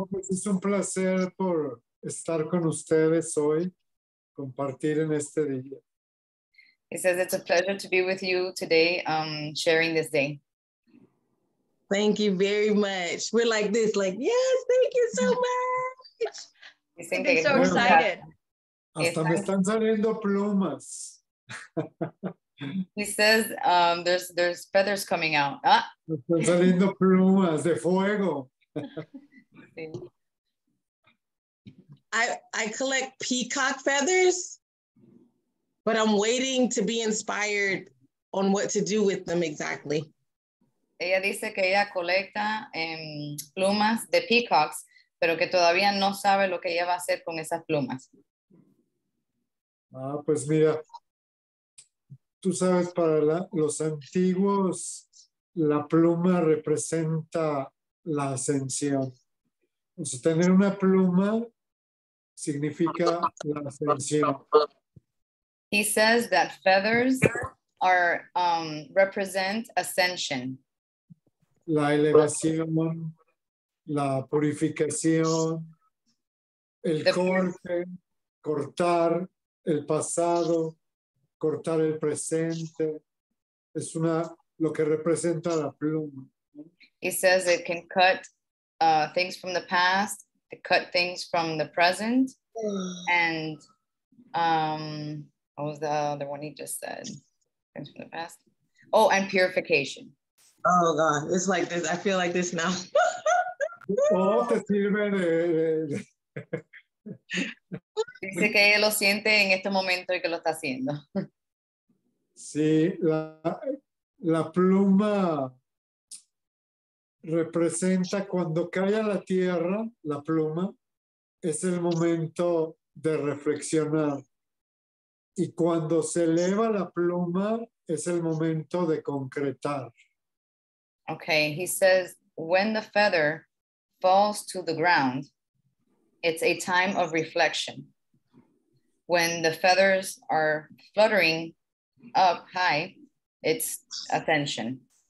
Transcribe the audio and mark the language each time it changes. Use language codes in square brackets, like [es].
[es] Es un placer por estar con ustedes hoy, compartir en este día. [en] He says, it's a pleasure to be with you today, sharing this day. Thank you very much. We're like this, like, yes, thank you so much. I've been so excited. [es] Hasta me están saliendo plumas. [en] He says, there's feathers coming out. Ah. [es] Están saliendo plumas de fuego. [en] I collect peacock feathers, but I'm waiting to be inspired on what to do with them exactly. [es] Ella dice que ella colecta plumas de peacocks, pero que todavía no sabe lo que ella va a hacer con esas plumas. Ah, pues mira, tú sabes, para los antiguos, la pluma representa la ascensión. O sea, tener una pluma significa la ascensión. [en] He says that feathers are represent ascension. [es] La elevación, la purificación, el corte, cortar el pasado, cortar el presente, es una lo que representa la pluma. [en] He says it can cut things from the past, it cut things from the present, and what was the other one he just said? Things from the past. Oh, and purification. Oh God, it's like this. I feel like this now. [es] Oh, te sirve de. Dice que lo siente en este momento y que lo está haciendo. Sí, la pluma representa cuando cae a la tierra, la pluma, es el momento de reflexionar. Y cuando se eleva la pluma, es el momento de concretar. [en] Okay, he says, when the feather falls to the ground, it's a time of reflection. When the feathers are fluttering up high, it's attention.